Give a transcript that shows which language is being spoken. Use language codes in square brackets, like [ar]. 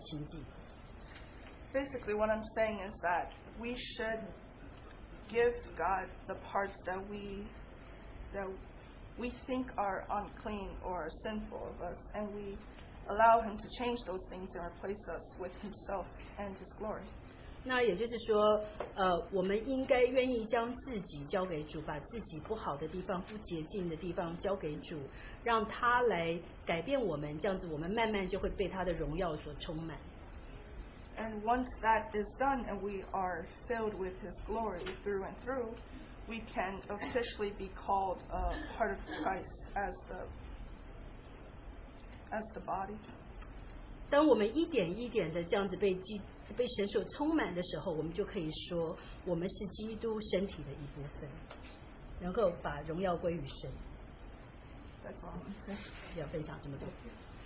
[zh] 如果说我们想要喂这个鸟吃东西，我们越喂它吃东西，它就会越靠近我们。那我们跟神在一起的关系也是这样，我们应该愿意让自己敞开，让神来喂养我们。那你越接受它，你就会越与它亲近。 [en] Basically, what I'm saying is that we should give God the parts that we think are unclean or sinful of us, and we allow Him to change those things and replace us with Himself and His glory. [zh] 那也就是说，我们应该愿意将自己交给主，把自己不好的地方、不洁净的地方交给主，让他来改变我们，这样子我们慢慢就会被他的荣耀所充满。 [en] And once that is done and we are filled with His glory through and through, we can officially be called a part of Christ as the body. [zh] 当我们一点一点的这样子被神所充满的时候，我们就可以说我们是基督身体的一部分，能够把荣耀归于神。 [en] That's all. Okay.